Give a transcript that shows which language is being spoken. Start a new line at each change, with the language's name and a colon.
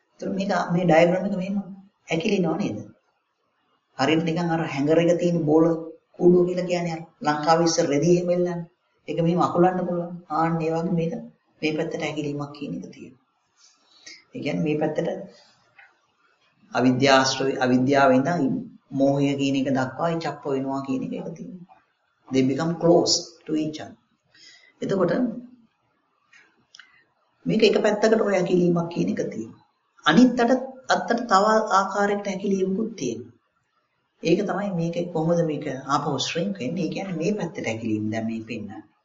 Sinhala: එතකොට මේක මේ ඩයග්‍රෑම් එක මෙහෙම ඇකිලිනව නේද? හරියට නිකන් අර හැංගර් එක තියෙන බෝල කූඩුව කියලා කියන්නේ අර ලංකාවේ ඉස්සර රෙදි එහෙම ඉල්ලන්නේ. ඒක මෙහෙම අකුලන්න පුළුවන්. ආන්න ඒ වගේ මේක මේ පැත්තට ඇගිලිමක් කියන එක තියෙනවා. ඒ කියන්නේ මේ පැත්තට අවිද්‍යාශ්‍රය අවිද්‍යාව ඉඳන් මෝහය කියන එක දක්වායි චප්ප වෙනවා කියන එක තියෙනවා.
English: They become close to each other.
Sinhala: එතකොට මේක එක පැත්තකට ඔය ඇගිලිමක් කියන එක තියෙනවා. අනිත් අතට තව ආකාරයකට ඇගිලිමකුත් තියෙනවා. ඒක තමයි මේක කොහොමද මේක ආපහු ශ්‍රින්ක් වෙන්නේ. ඒ කියන්නේ මේ පැත්තට ඇගිලිම දැන් මේ පෙන්වන්නේ.